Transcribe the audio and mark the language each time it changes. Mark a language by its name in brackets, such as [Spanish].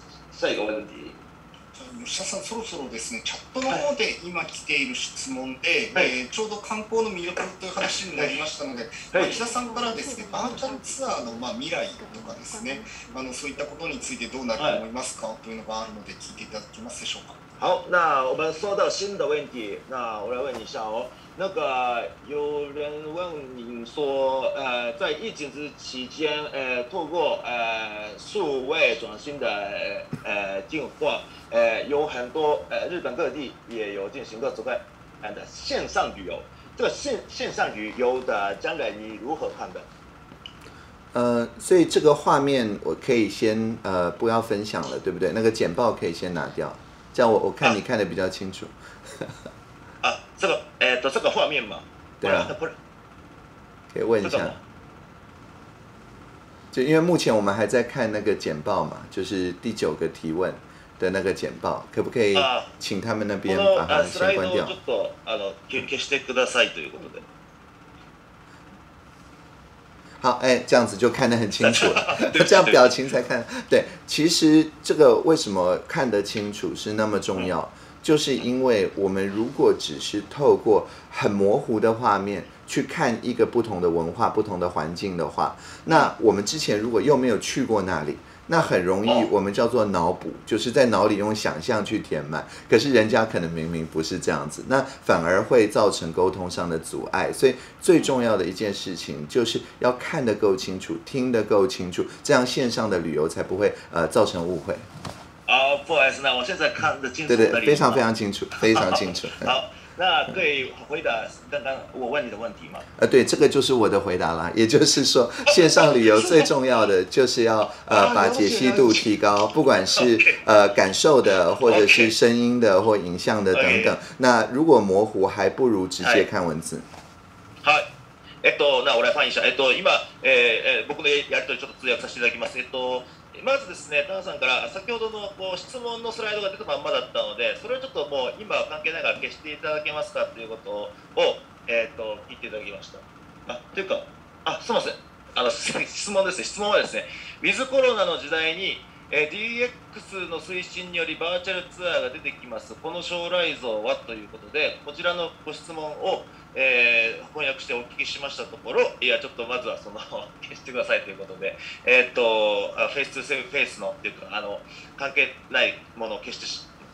[Japanese] 最後まで吉田さん、そろそろですね、チャットの方で今来ている質問で、はい、ちょうど観光の魅力という話になりましたので、はい、まあ、吉田さんからですね、バーチャルツアーの、まあ、未来とかですね、はい、そういったことについてどうなると思いますか、はい、というのがあるので聞いていただけますでしょうか。 [Chinese] 好，那我们说到新的问题，那我来问你一下哦。那个有人问你说，在疫情之期间，透过数位转型的进化，有很多日本各地也有进行各种各样的线上旅游。这个线上旅游的将来你如何看的？所以这个画面我可以先不要分享了，对不对？那个简报可以先拿掉。这样我看你看得比较清楚。啊，这个，这个画面嘛，对啊，可以问一下。就因为目前我们还在看那个简报嘛，就是第九个提问的那个简报，可不可以请他们那边把它先关掉？ [Japanese] この、消してくださいということで。 [Chinese] 好，这样子就看得很清楚了，这样表情才看。对，其实这个为什么看得清楚是那么重要，就是因为我们如果只是透过很模糊的画面去看一个不同的文化、不同的环境的话，那我们之前如果又没有去过那里，那很容易我们叫做脑补，就是在脑里用想象去填满，可是人家可能明明不是这样子，那反而会造成沟通上的阻碍。所以最重要的一件事情就是要看得够清楚，听得够清楚，这样线上的旅游才不会造成误会。不好意思，那我现在看得清楚的。对对，非常非常清楚，非常清楚。好，那可以回答刚刚我问你的问题吗？对，这个就是我的回答啦。也就是说，线上旅游最重要的就是要把解析度提高，不管是感受的，或者是声音的，或影像的等等。那如果模糊，还不如直接看文字。好。那我来翻译一下。 [Japanese] 今僕のやりとりちょっと通訳させていただきます。まずですね、田中さんから先ほどのこう質問のスライドが出たまんまだったので、それをちょっともう今は関係ないから消していただけますかということを、言っていただきました。あ、というか、あ、すみません、質問ですね。質問はですね、ウィズコロナの時代に、DX の推進によりバーチャルツアーが出てきます、この将来像はということで、こちらのご質問を、翻訳してお聞きしましたところ、いやちょっとまずはその消してくださいということで、フェイス2フェイスのっていうか、関係ないものを消してし